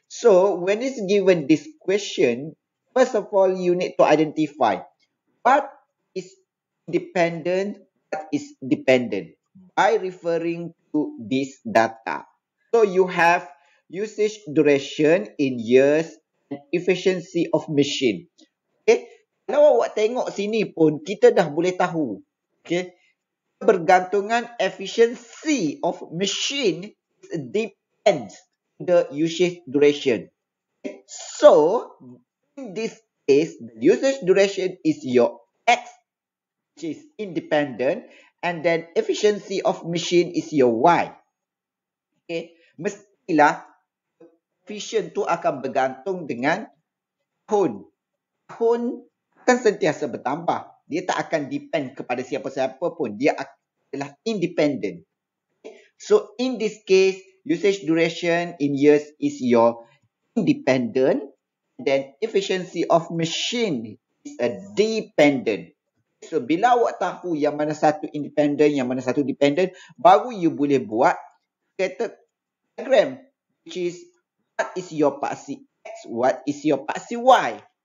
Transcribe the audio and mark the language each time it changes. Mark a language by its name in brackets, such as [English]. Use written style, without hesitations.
[English] So when it's given this question, first of all, you need to identify what is independent, what is dependent by referring to this data. So you have usage duration in years and efficiency of machine. Okay. [Malay] Kalau awak tengok sini pun, kita dah boleh tahu. [English] Okay. Bergantungan efficiency of machine depends on the usage duration. Okay. So, in this case, the usage duration is your X, which is independent, and then efficiency of machine is your Y. [Malay] Okay. Mestilah efficient tu akan bergantung dengan tahun. Tahun akan sentiasa bertambah. Dia tak akan depend kepada siapa-siapa pun. Dia adalah independent. [English] So, in this case, usage duration in years is your independent. Then, efficiency of machine is a dependent. [Malay] So, bila awak tahu yang mana satu independent, yang mana satu dependent, baru you boleh buat scatter diagram, [English] which is what is your paksi X, what is your paksi Y.